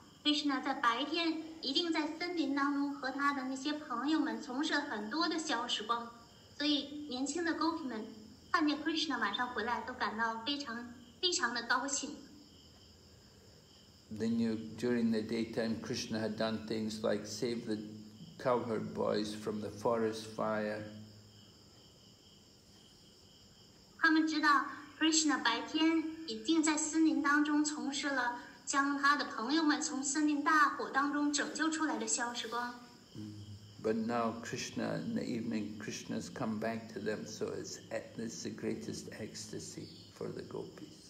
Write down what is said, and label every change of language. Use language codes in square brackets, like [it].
[zh] Krishna 在白天一定在森林当中和他的那些朋友们从事很多的消时光，所以年轻的 Gopi 们看见 Krishna 晚上回来都感到非常非常的高兴。 [en] They knew during the daytime Krishna had done things like save the cowherd boys from the forest fire. [zh] 他们知道 Krishna 白天已经在森林当中从事了将他的朋友们从森林大火当中拯救出来的消失光。 [en] But now Krishna, in the evening, Krishna's come back to them, so it's the greatest ecstasy for the gopis.